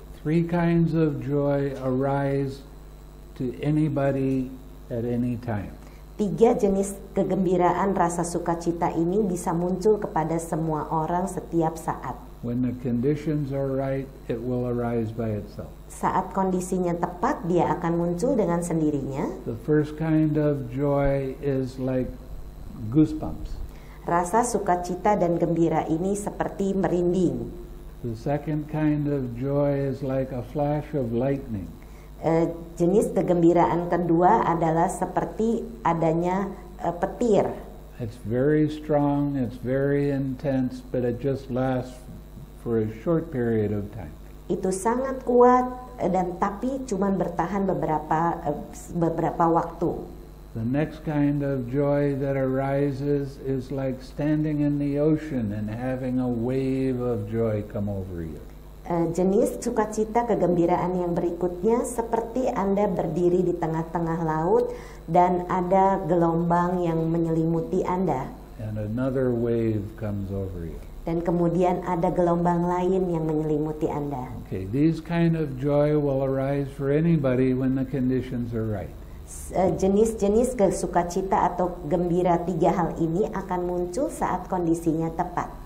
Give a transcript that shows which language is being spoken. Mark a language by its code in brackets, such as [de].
[en] 3 kinds of joy arise to anybody at any time. [id] 3 jenis kegembiraan rasa sukacita ini bisa muncul kepada semua orang setiap saat. [en] When the conditions are right, it will arise by itself. [id] Saat kondisinya tepat, dia akan muncul dengan sendirinya. [en] The first kind of joy is like goosebumps. [id] Rasa sukacita dan gembira ini seperti merinding. [en] The second kind of joy is like a flash of lightning. [id] Jenis kegembiraan kedua adalah seperti adanya petir. [en] It's very strong, it's very intense, but it just lasts for a short period of time. [id] Itu sangat kuat dan tapi cuman bertahan beberapa waktu. [en] The next kind of joy that arises is like standing in the ocean and having a wave of joy come over you. [id] Jenis sukacita kegembiraan yang berikutnya seperti Anda berdiri di tengah-tengah laut dan ada gelombang yang menyelimuti Anda. [en] And another wave comes over you. [id] Dan kemudian ada gelombang lain yang menyelimuti Anda. [en] Okay, these kind of joy will arise for anybody when the conditions are right. [id] Jenis-jenis kesukacita atau gembira tiga hal ini akan muncul saat kondisinya tepat.